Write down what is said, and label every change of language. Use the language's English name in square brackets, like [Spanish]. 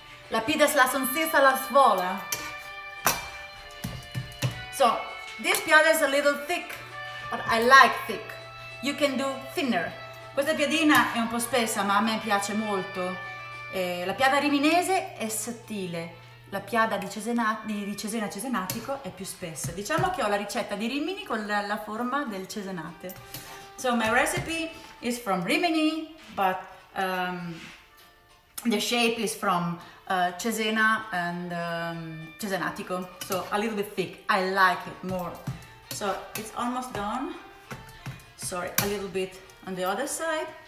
[English] La pida la sonzista la svola. So, this piada is a little thick, but I like thick. You can do thinner. [Italian] Questa piadina è un po' spessa, ma a me piace molto. La piada riminese è sottile. La piada di Cesena Cesenatico è più spessa. Diciamo che ho la ricetta di Rimini con la forma del Cesenate. [English] So, my recipe is from Rimini, but the shape is from Cesena and Cesenatico, so a little bit thick. I like it more. So it's almost done. Sorry, a little bit on the other side.